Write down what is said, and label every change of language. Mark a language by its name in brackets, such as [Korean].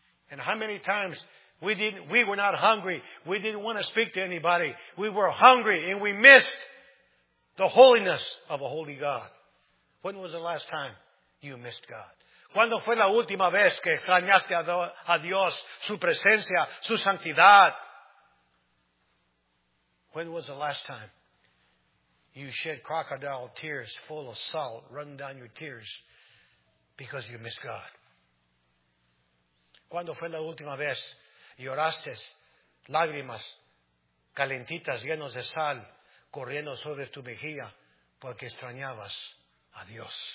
[English] And how many times we were not hungry. We didn't want to speak to anybody. We were hungry and we missed the holiness of a holy God. When was the last time you missed God? [Spanish] ¿Cuándo fue la última vez que extrañaste a Dios, su presencia, su santidad? [English] When was the last time you shed crocodile tears full of salt running down your tears because you missed God? [Spanish] ¿Cuándo fue la última vez lloraste lágrimas calentitas llenos de sal corriendo sobre tu mejilla porque extrañabas a Dios?